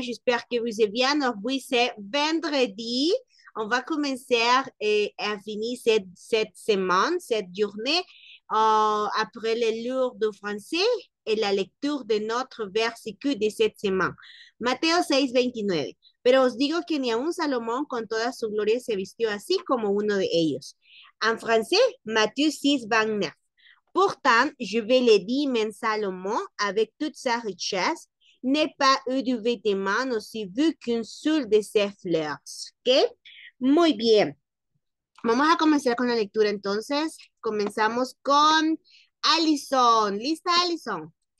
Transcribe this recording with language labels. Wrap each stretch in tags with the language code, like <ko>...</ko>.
<fr>J'espère que vous allez bien. Alors, oui, c'est vendredi. On va commencer à finir cette semaine, cette journée, après les cours de français et la lecture de notre verset de cette semaine.</fr> <es>Mateo 6, 29. Pero os digo que ni aun Salomón con toda su gloria se vistió así como uno de ellos. En francés, Mateo 6, 29.</es> <fr>Pourtant, je vais le dire, mais Salomón, avec toute sa richesse, n'est pas eu de vêtements aussi vu qu'une seule de ses fleurs.</fr> <es>¿Ok? Muy bien. Vamos a comenzar con la lectura entonces. Comenzamos con Alison. ¿Lista, Alison?</es>